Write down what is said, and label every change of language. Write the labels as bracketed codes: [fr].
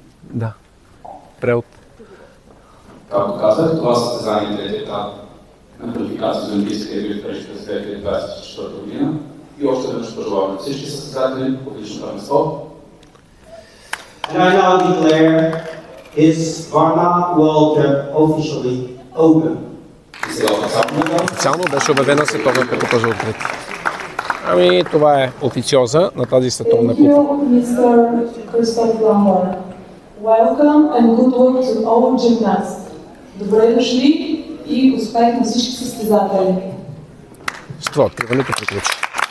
[bg] Да. Преот. Както казах, това са състезание третия етап на квалификация за Олимпийска игра в Париж през 2024 година. И още веднъж пожелавам на всички състезатели отлично първенство. [en] And I now declare his Varna World Cup officially open. [bg] И сега официално. Официално беше обявена световна купа за открит. Ами това е официоза на тази световна купа. [en] Thank you, Mr. Christoph Lamour. Welcome and good work to all gymnasts. [bg] Добре дошли и успех на всички състезатели. С това откриването приключи.